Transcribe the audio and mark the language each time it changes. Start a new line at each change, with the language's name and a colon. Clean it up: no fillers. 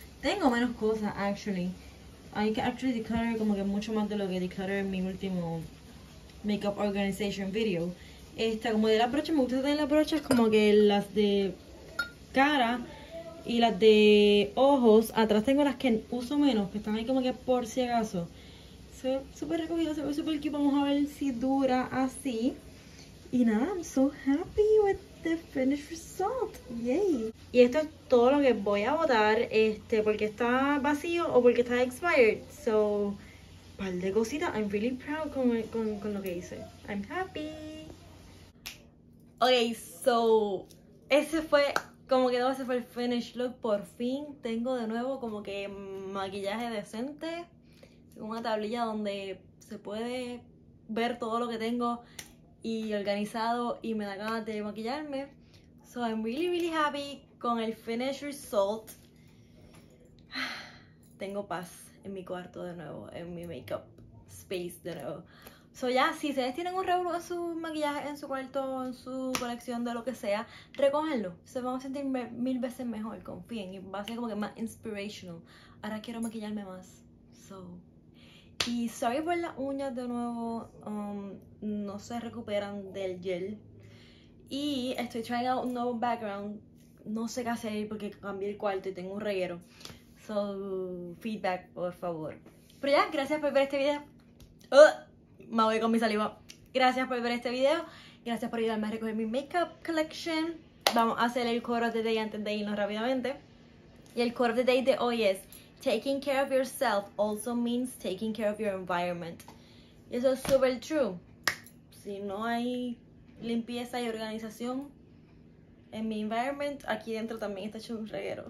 Spanish: Tengo menos cosas, actually. Hay que actually declarar como que mucho más de lo que declaré en mi último
English: makeup organization video.
Spanish: Este, como de las brochas, me gusta tener las brochas como que las de cara y las de ojos. Atrás tengo las que uso menos, que están ahí como que por si acaso. Se ve súper recogido, se ve súper cute. Vamos a ver si dura así. Y nada,
English: I'm so happy with the finished result. Yay.
Spanish: Y esto es todo lo que voy a botar. Este, porque está vacío o porque está expired. So, un par de cositas.
English: I'm really proud
Spanish: con lo que hice.
English: I'm happy. Ok, so,
Spanish: Ese fue, como quedó, ese fue el finish look. Por fin tengo de nuevo como que maquillaje decente. Tengo una tablilla donde se puede ver todo lo que tengo y organizado y me da ganas de maquillarme.
English: So I'm really, really happy
Spanish: con el
English: finish result.
Spanish: Tengo paz en mi cuarto de nuevo, en mi makeup space de nuevo. So ya, si ustedes tienen un revuelo en su maquillaje, en su cuarto, en su colección de lo que sea, recójanlo. Se van a sentir mil veces mejor, confíen. Y va a ser como que más inspirational. Ahora quiero maquillarme más. So. Y sorry por las uñas de nuevo. No se recuperan del gel. Y estoy
English: trying out
Spanish: un nuevo background. No sé qué hacer porque cambié el cuarto y tengo un reguero. So, feedback, por favor. Pero ya, gracias por ver este video. Me voy con mi saliva. Gracias por ver este video. Gracias por ayudarme a recoger mi makeup collection. Vamos a hacer el
English: quote of the day
Spanish: antes de irnos rápidamente. Y el
English: quote of the day
Spanish: de hoy es:
English: taking care of yourself also means taking care of your environment.
Spanish: Y eso es súper true. Si no hay limpieza y organización en mi environment, aquí dentro también está hecho un reguero.